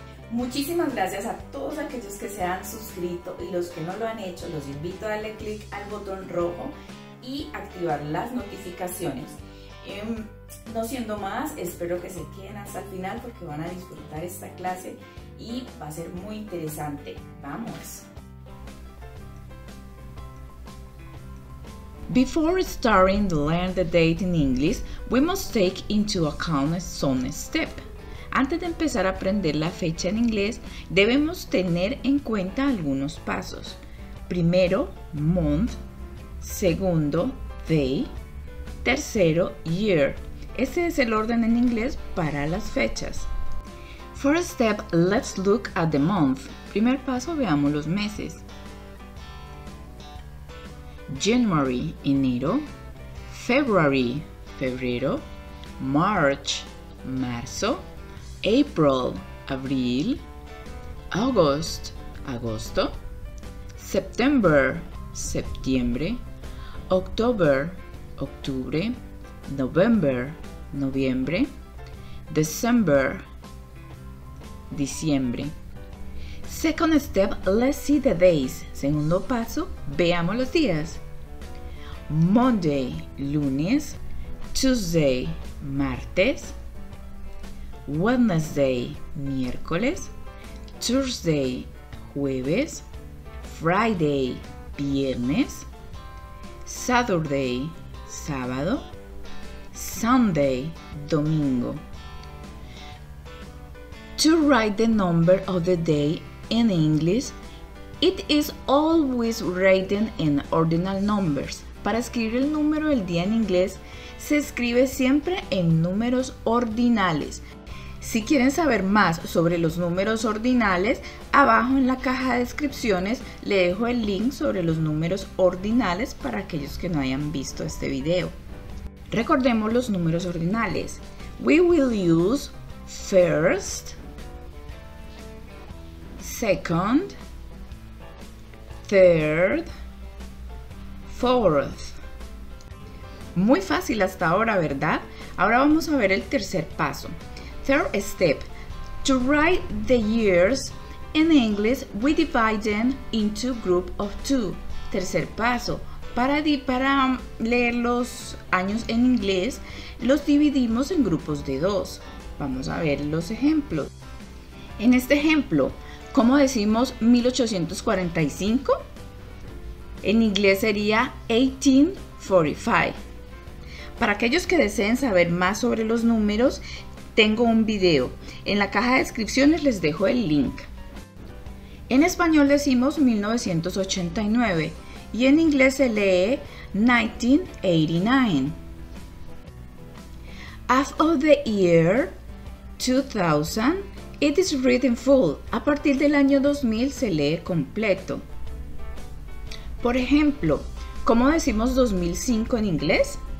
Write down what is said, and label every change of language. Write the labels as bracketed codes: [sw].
[es] Muchísimas gracias a todos aquellos que se han suscrito y los que no lo han hecho, los invito a darle clic al botón rojo y activar las notificaciones. No siendo más, espero que se queden hasta el final porque van a disfrutar esta clase y va a ser muy interesante. ¡Vamos! [en] Before starting to learn the date in English, we must take into account some steps. [es] Antes de empezar a aprender la fecha en inglés, debemos tener en cuenta algunos pasos. Primero, month. Segundo, day. Tercero, year. Este es el orden en inglés para las fechas. [en] First step, let's look at the month. [es] Primer paso, veamos los meses. January, enero. February, febrero. March, marzo. April, abril. August, agosto. September, septiembre. October, octubre. November, noviembre. December, diciembre. [en] Second step, let's see the days. [es] Segundo paso, veamos los días. Monday, lunes. Tuesday, martes. Wednesday, miércoles. Thursday, jueves. Friday, viernes. Saturday, sábado. Sunday, domingo. [en] To write the number of the day in English, it is always written in ordinal numbers. [es] Para escribir el número del día en inglés, se escribe siempre en números ordinales. Si quieren saber más sobre los números ordinales, abajo en la caja de descripciones le dejo el link sobre los números ordinales para aquellos que no hayan visto este video. Recordemos los números ordinales. [en] We will use first, second, third, fourth. [es] Muy fácil hasta ahora, ¿verdad? Ahora vamos a ver el tercer paso. [en] Third step. To write the years in English, we divide them into group of two. [es] Tercer paso. Para leer los años en inglés, los dividimos en grupos de dos. Vamos a ver los ejemplos. En este ejemplo, ¿cómo decimos 1845? En inglés sería 1845. Para aquellos que deseen saber más sobre los números, tengo un video. En la caja de descripciones les dejo el link. En español decimos 1989. Y en inglés se lee 1989. [en] Half of the year 2000, it is written full. [es] A partir del año 2000 se lee completo. Por ejemplo, ¿cómo decimos 2005 en inglés?